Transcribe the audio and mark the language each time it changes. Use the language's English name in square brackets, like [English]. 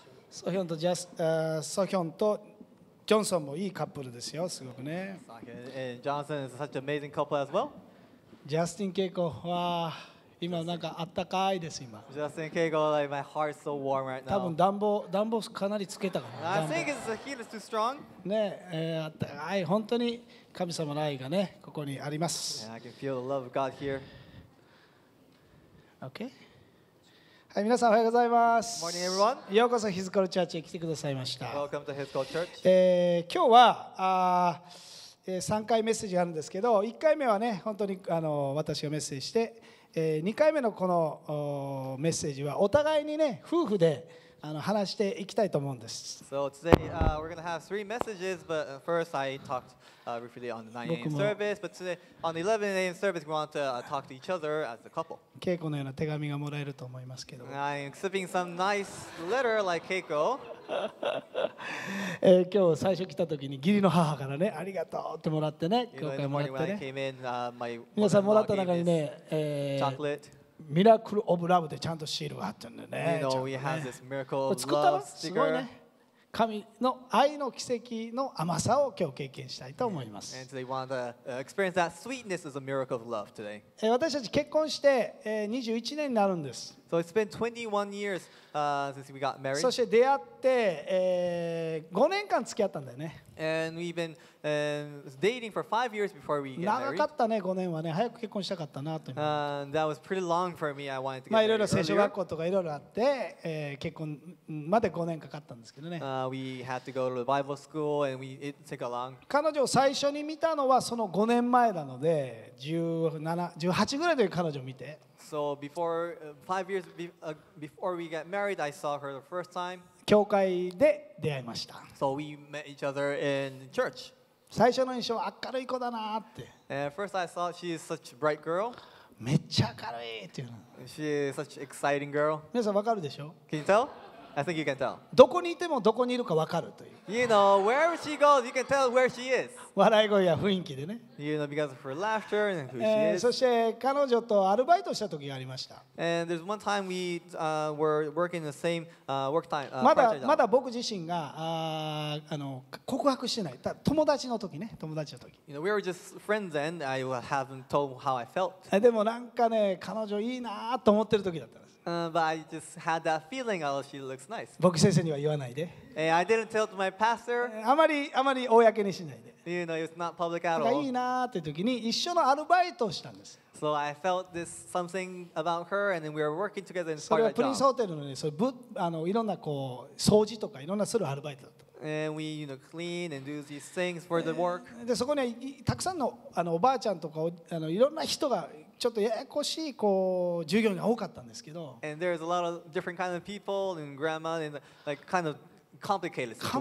[Japanese] ソヒョンとジャス、ソヒョンとジョンソンもいいカップルですよ。すごくね。 [English] And Johnson is such an amazing couple as well. [Japanese] ジャスティン・ケイコは今なんかあったかいです今。 [English] Justin Keiko, like, my heart's so warm right now. [Japanese] 多分暖房かなりつけたかな。 [English] I think it's the heat is too strong. [Japanese] ね、あったかい。本当に神様の愛がねここにあります。 [English] Yeah, I can feel the love of God here. Okay. [Japanese] はい、皆さんおはようございます。 [English] Morning, everyone. [Japanese] ようこそヒズコルチャーチへ来てくださいました。 [English] Welcome to Hizkol Church. [Japanese] 今日は3回メッセージがあるんですけど、1回目はね本当にあの私がメッセージして、2回目のこのメッセージはお互いにね夫婦であの話していきたいと思うんです。 [English] So today, we're gonna have three messages, but first I talked, briefly on the 9 a.m. service, but today on the 11 a.m. service we want to, talk to each other as a couple. [Japanese] Keiko のような手紙がもらえると思いますけど。 [English] I'm expecting some nice letter like Keiko. [Japanese] 今日最初来た時に義理の母からねありがとうってもらってね、教会もらってね。 [English] You know, in the morning when I came in, [Japanese] 皆さんもらった中にね、 [English] chocolate. [Japanese] ミラクルオブラブでちゃんとシールがあったんだね。 [English] You know, [Japanese] ね [English] we have this miracle of love sticker. [Japanese] 作ったのすごいね。神の愛の奇跡の甘さを今日経験したいと思います。 [English] And today we want to experience that sweetness as a miracle of love today. [Japanese] 私たち結婚して21年になるんです。 [English] So it's been 21 years, since we got married. [Japanese] そして出会って、5年間付き合ったんだよね。 [English] And we've been, dating for 5 years before we get married. [Japanese] 長かったね、5年はね。早く結婚したかったなと。 [English] That was pretty long for me. I wanted to get married. [Japanese] まあいろいろ聖書学校とかいろいろあって、結婚まで5年かかったんですけどね。 [English] We had to go to the Bible school and it took a long. [Japanese] 彼女を最初に見たのはその5年前なので、17、18ぐらいで彼女を見て。 [English] So before 5 years before we got married, I saw her the first time. [Japanese] 教会で出会いました。 [English] So we met each other in church. [Japanese] 最初の印象は明るい子だなって。 [English] And first I saw she is such a bright girl. [Japanese] めっちゃ明るいっていうの。 [English] She is such an exciting girl. [Japanese] 皆さんわかるでしょ？ [English] Can you tell? I think you can tell. [Japanese] どこにいてもどこにいるかわかるという。 [English] You know where she goes, you can tell where she is. [Japanese] 笑い声や雰囲気でね。 [English] You know because of her laughter and who she is. [Japanese] そして彼女とアルバイトした時がありました。 [English] And there's one time we, were working the same, work time. [Japanese] まだ僕自身が、告白してない。友達の時ね、友達の時。 [English] You know we were just friends then. I haven't told how I felt. [Japanese] でもなんかね、彼女いいなと思ってる時だったんです。 [English] But I just had that feeling. Oh, she looks nice. [Japanese] 牧先生には言わないで。 [English] And I didn't tell to my pastor. [Japanese] あまり公にしないで。 [English] You know, it's not public at all. [Japanese] いいなって時に一緒のアルバイトをしたんです。 [English] So I felt this something about her, and then we were working together in part of that job. [Japanese] それはプリンスホテルのね、そういうぶあのいろんなこう掃除とかいろんなするアルバイトだと。 [English] And we, you know, clean and do these things for the work. [Japanese] でそこにはたくさんのおばあちゃんとかあのいろんな人がちょっとややこしいこう従業員が多かったんですけど。 [English] And there's a lot of different kind of people and grandma and like kind of complicated situation.